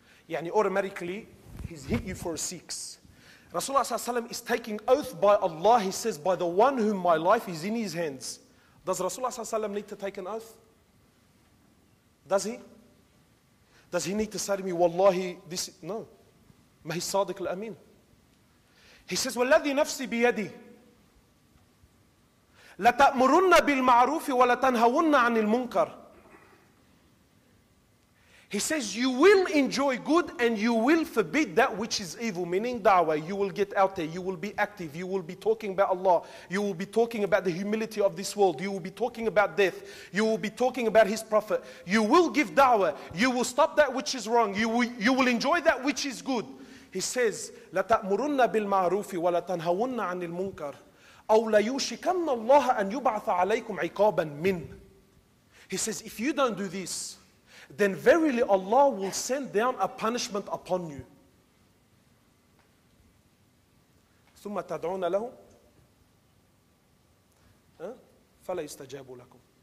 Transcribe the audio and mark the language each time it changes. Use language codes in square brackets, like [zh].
[en] يعني automatically, he's hit you for a six. Rasulullah ﷺ is taking oath by Allah. He says, by the one whom my life is in his hands. Does Rasulullah ﷺ need to take an oath? Does he? Does he need to say to me, wallahi, this is... No. [ar] مَا هِي صَادِقِ الْأَمِينِ. [en] He says, [ar] وَالَّذِي نَفْسِي بِيَدِهِ. لَتَأْمُرُنَّ بِالْمَعْرُوفِ وَلَتَنْهَوُنَّ عَنِ الْمُنْكَرِ. [en] He says, you will enjoy good and you will forbid that which is evil, meaning da'wah. You will get out there, you will be active, you will be talking about Allah, you will be talking about the humility of this world, you will be talking about death, you will be talking about his prophet, you will give da'wah, you will stop that which is wrong, you will enjoy that which is good. He says, [ar] لَتَأْمُرُنَّ بِالْمَعْرُوفِ وَلَتَنْهَوُنَّ عَنِ الْمُنْكَرِ. أَوْ لَيُوشِكَنَّ اللَّهَ أَنْ يُبْعَثَ عَلَيْكُمْ عِقَابًا مِنْ. [en] He says, if you don't do this, then verily Allah will send down a punishment upon you. [ar] ثُمَّ تَدْعُونَ لَهُمْ فَلَا يُسْتَجَابُ لَكُمْ.